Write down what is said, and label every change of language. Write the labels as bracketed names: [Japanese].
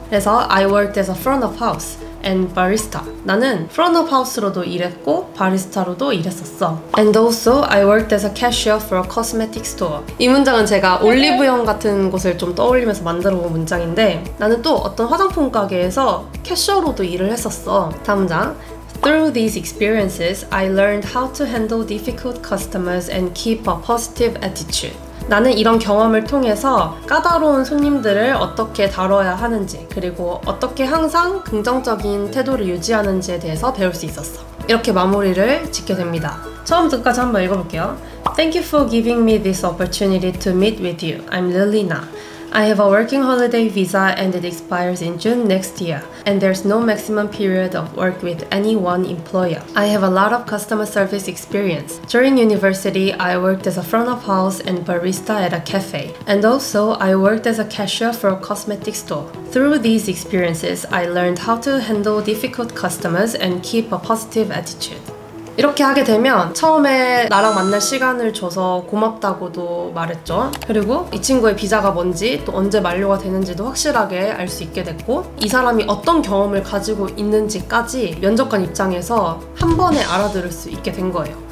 [Korean] 그래서 [English] I worked as a front of house. and barista. [Korean] 나는 front of house로도 일했고 바리스타로도 일했었어. [English] And also I worked as a cashier for a cosmetic store. [Korean] 이 문장은 제가 올리브영 같은 곳을 좀 떠올리면서 만들어본 문장인데 나는 또 어떤 화장품 가게에서 캐셔로도 일을 했었어. 다음 문장. [English] Through these experiences, I learned how to handle difficult customers and keep a positive attitude. [Korean] 나는 이런 경험을 통해서 까다로운 손님들을 어떻게 다뤄야 하는지 그리고 어떻게 항상 긍정적인 태도를 유지하는지에 대해서 배울 수 있었어. 이렇게 마무리를 짓게 됩니다. 처음부터까지 한번 읽어볼게요. [English] Thank you for giving me this opportunity to meet with you. I'm Lilina. I have a working holiday visa and it expires in June next year. And there's no maximum period of work with any one employer. I have a lot of customer service experience. During university, I worked as a front of house and barista at a cafe. And also, I worked as a cashier for a cosmetic store. Through these experiences, I learned how to handle difficult customers and keep a positive attitude. [Korean] 이렇게 하게 되면 처음에 나랑 만날 시간을 줘서 고맙다고도 말했죠. 그리고 이 친구의 비자가 뭔지 또 언제 만료가 되는지도 확실하게 알 수 있게 됐고 이 사람이 어떤 경험을 가지고 있는지까지 면접관 입장에서 한 번에 알아들을 수 있게 된 거예요.